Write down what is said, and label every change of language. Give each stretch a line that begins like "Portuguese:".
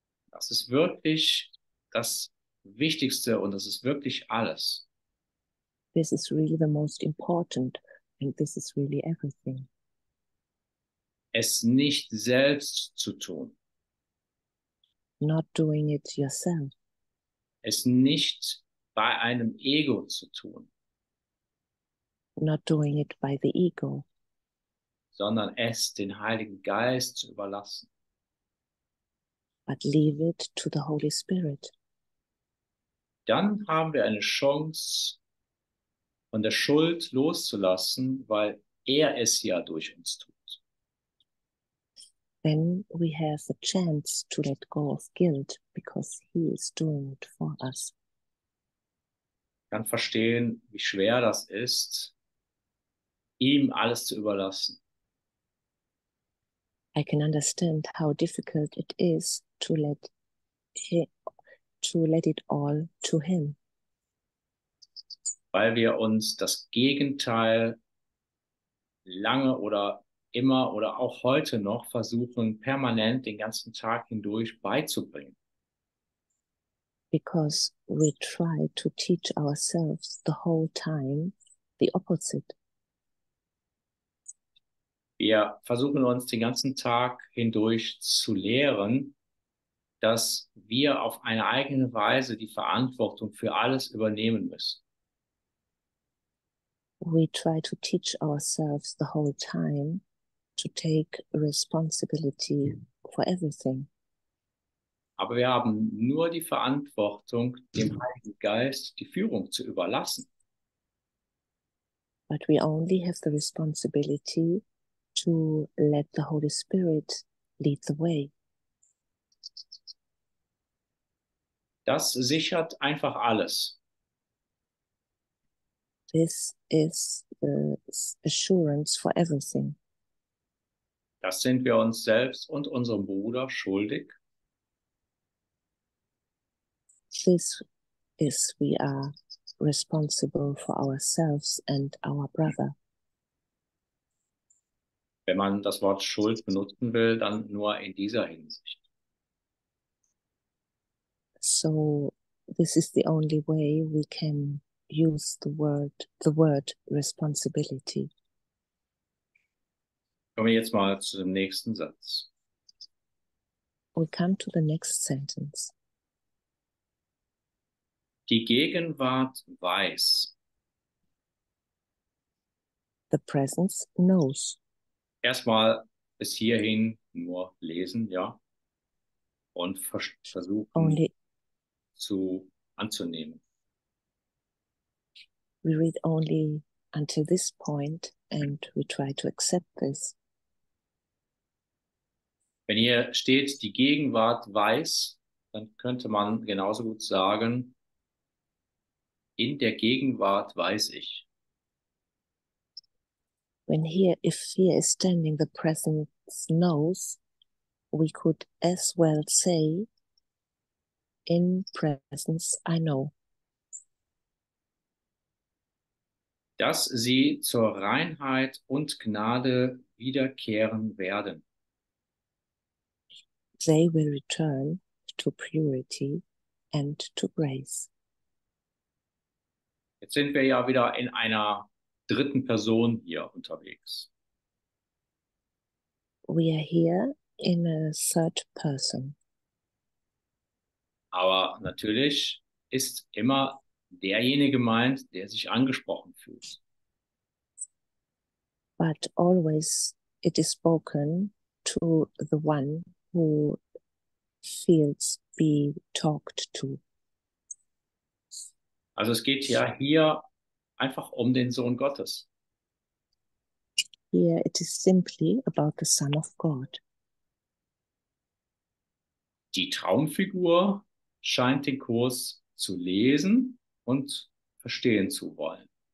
German: Das ist wirklich das Wichtigste und das ist wirklich alles.
English: This is really the most important and this is really everything.
German: Es nicht selbst zu tun.
English: Not doing it yourself.
German: Es nicht bei einem Ego zu tun.
English: Not doing it by the ego.
German: Sondern es den Heiligen Geist zu überlassen.
English: But leave it to the Holy Spirit.
German: Dann haben wir eine Chance, von der Schuld loszulassen, weil er es ja durch uns tut.
English: then we have a chance to let go of guilt because he is doing it for us.
German: Ich kann verstehen, wie schwer das ist, ihm alles zu überlassen.
English: I can understand how difficult it is to let it all to him.
German: Weil wir uns das Gegenteil lange oder immer oder auch heute noch versuchen, permanent den ganzen Tag hindurch beizubringen.
English: Because we try to teach ourselves the whole time the opposite.
German: Wir versuchen uns den ganzen Tag hindurch zu lehren, dass wir auf eine eigene Weise die Verantwortung für alles übernehmen müssen.
English: We try to teach ourselves the whole time to take responsibility for everything.
German: Aber wir haben nur die Verantwortung, dem Heiligen Geist die Führung zu überlassen.
English: But we only have the responsibility to let the Holy Spirit lead the way.
German: Das sichert einfach alles.
English: This is the assurance for everything.
German: Das sind wir uns selbst und unserem Bruder schuldig.
English: This is we are responsible for ourselves and our brother.
German: Wenn man das Wort Schuld benutzen will, dann nur in dieser Hinsicht.
English: So this is the only way we can use the word responsibility.
German: Kommen wir jetzt mal zu dem nächsten Satz.
English: We come to the next sentence.
German: Die Gegenwart weiß.
English: The presence knows.
German: Erstmal bis hierhin nur lesen, ja. Und versuchen
English: only
German: zu anzunehmen.
English: We read only until this point and we try to accept this.
German: Wenn hier steht, die Gegenwart weiß, dann könnte man genauso gut sagen, in der Gegenwart weiß ich.
English: When here, if here is standing, the presence knows, we could as well say, in presence I know.
German: Dass sie zur Reinheit und Gnade wiederkehren werden.
English: They will return to purity and to grace.
German: Jetzt sind wir ja wieder in einer dritten Person hier unterwegs.
English: We are here in a third person.
German: Aber natürlich ist immer derjenige gemeint, der sich angesprochen fühlt.
English: But always it is spoken to the one who feels be talked to.
German: Also es geht ja hier einfach um den Sohn Gottes.
English: Here it is simply about the Son of God.
German: Die Traumfigur scheint den Kurs zu lesen und verstehen zu wollen.